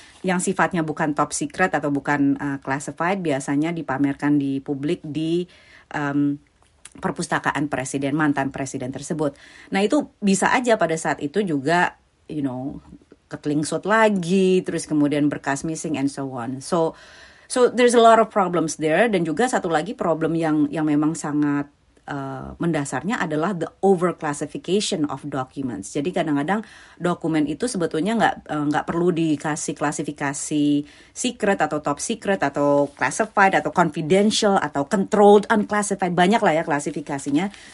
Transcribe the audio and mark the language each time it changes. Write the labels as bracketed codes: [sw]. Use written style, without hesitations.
[id] Yang sifatnya bukan top secret atau bukan classified biasanya dipamerkan di publik di perpustakaan presiden, mantan presiden tersebut. Nah itu bisa aja pada saat itu juga, [en] you know, [id] ketlingsut lagi, terus kemudian berkas [en] missing and so on. So there's a lot of problems there. [id] Dan juga satu lagi problem yang memang sangat mendasarnya adalah [en] the overclassification of documents. [id] Jadi kadang-kadang dokumen itu sebetulnya nggak perlu dikasih klasifikasi secret atau top secret atau classified atau confidential atau controlled unclassified, banyak lah ya klasifikasinya.